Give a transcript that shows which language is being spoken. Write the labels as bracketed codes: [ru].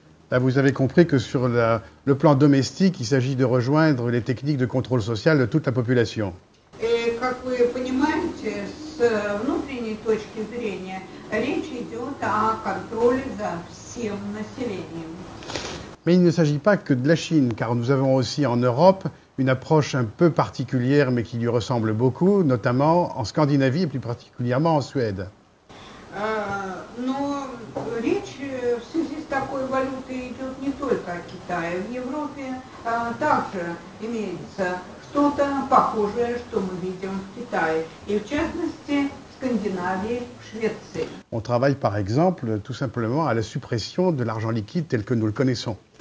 [fr] Là, vous avez compris que sur le plan domestique, il s'agit de rejoindre les techniques de contrôle social de toute la population. [ru] Et, как вы понимаете, с внутренней точки зрения, Речь идет о контроле за всем населением. [fr] Mais il ne s'agit pas que de la Chine, car nous avons aussi en Europe une approche un peu particulière, mais qui lui ressemble beaucoup, notamment en Scandinavie et plus particulièrement en Suède. [ru] Но речь в связи с такой валютой идет не только о Китае. В Европе также имеется что-то похожее, что мы видим в Китае, и в частности в Скандинавии, в Швеции. [fr] On travaille par exemple tout simplement à la suppression de l'argent liquide tel que nous le connaissons.